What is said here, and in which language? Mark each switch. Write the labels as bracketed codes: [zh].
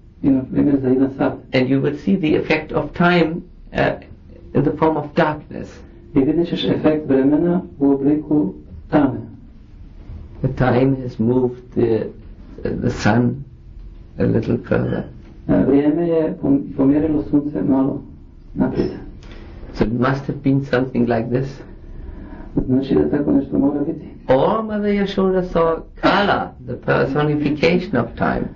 [hr] I na primjer, za 1 sat. [en] And you will see the effect of time in the form of darkness. [hr] I vidjet ćeš efekt vremena u obliku tame. [en] The time has moved the sun a little further. [hr] Vrijeme je pomjerilo sunce malo naprijed. [en] So it must have been something like this. [hr] Znači da tako nešto mora biti. [en] Or Mother Yashoda saw Kala, the personification of time.